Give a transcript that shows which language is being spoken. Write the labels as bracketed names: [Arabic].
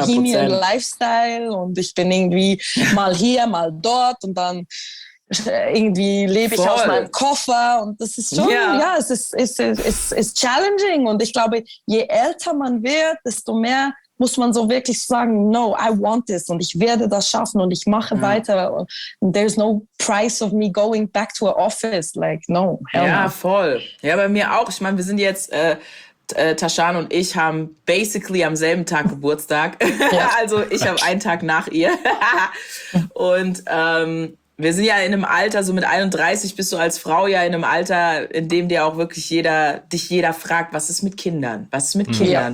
[German] Bohemian Lifestyle und ich bin irgendwie mal hier, mal dort und dann irgendwie lebe ich aus meinem Koffer und das ist schon, es ist challenging und ich glaube, je älter man wird, desto mehr muss man so wirklich sagen, [English] no, I want this [German] und ich werde das schaffen und ich mache weiter. [English] And there's no price of me going back to an office, like, no. [German] Hell ja, voll. Ja, bei mir auch. Ich meine, wir sind jetzt, Tashan und ich haben basically am selben Tag Geburtstag. Also ich habe einen Tag nach ihr. Und wir sind ja in einem Alter, so mit 31 bist du als Frau ja in einem Alter, in dem dir auch wirklich jeder fragt, was ist mit Kindern? Was ist mit Kindern?